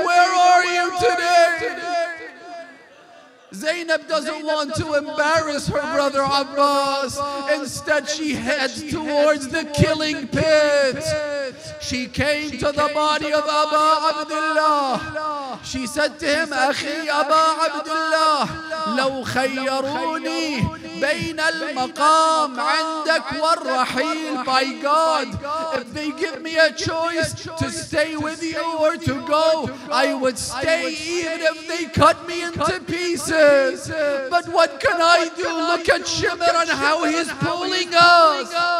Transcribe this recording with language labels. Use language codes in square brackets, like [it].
[en] Where are you today? Zainab doesn't want to embarrass her brother Abbas. Instead, she heads towards the killing pit. She came to the body of Aba Abdullah. She said to him, [ar] أخي أبا عبد الله لو خيروني بين المقام عندك والرحيل. [en] By God, if they give me a choice to stay with you or to go, I would stay even if they cut me into pieces. But what can I do? Look at Shimr and how he's pulling us.